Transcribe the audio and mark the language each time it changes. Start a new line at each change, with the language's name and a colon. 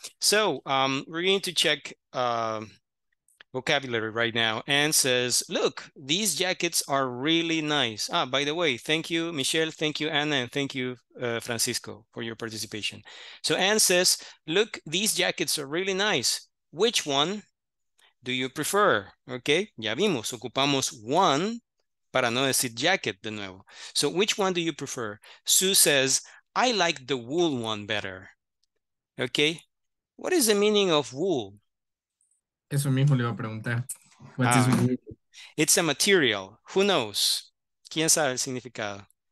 English: So we're going to check vocabulary right now. Anne says, look, these jackets are really nice. Ah, by the way, thank you, Michelle, thank you, Anna, and thank you, Francisco, for your participation. So Anne says, look, these jackets are really nice. Which one do you prefer?
Spanish: Okay, ya vimos, ocupamos one para no decir jacket de nuevo.
English: So which one do you prefer? Sue says, I like the wool one better. Okay, what is the meaning of wool?
Spanish: Eso mismo le iba a preguntar.
English: It's a material. Who knows?
Spanish: ¿Quién sabe el significado?